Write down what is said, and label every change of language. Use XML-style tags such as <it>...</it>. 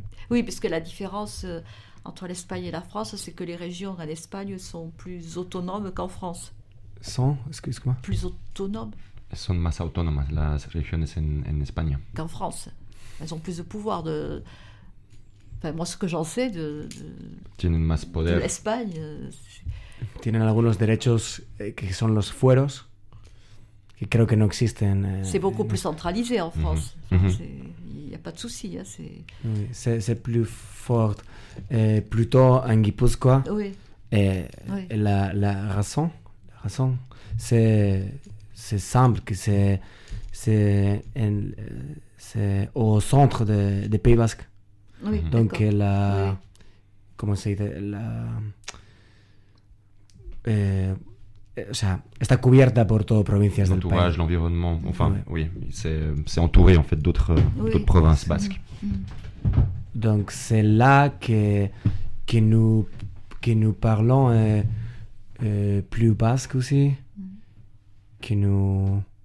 <fr>Oui, parce que la différence entre l'Espagne et la France, c'est que les régions en Espagne sont plus autonomes qu'en France. Sont, excuse-moi. Plus autonomes. Elles sont</fr> <es>más autónomas, las regiones en España.</es> <fr>Qu'en France. Elles ont plus de pouvoir de... Enfin, moi, ce que j'en sais de...</fr> <es>Tienen más poder.</es> <fr>De l'Espagne.</fr> <es>Tienen algunos derechos que son los fueros, que creo que no existen...</es> <fr>C'est beaucoup plus centralisé en France. Mm-hmm. Il n'y a pas de souci. Hein, c'est plus fort. Et plutôt en Guipúzcoa. Oui. Et oui. La raison, c'est simple, que c'est au centre des Pays Basques. Oui, donc d'accord. La oui. Comment ça dit</fr> <es>la o sea, está cubierta por todo provincias del país.</es> <fr>L'environnement, enfin oui, oui c'est entouré en fait d'autres oui. D'autres provinces basques. Donc c'est là que nous parlons plus basque aussi. Que nous...</fr>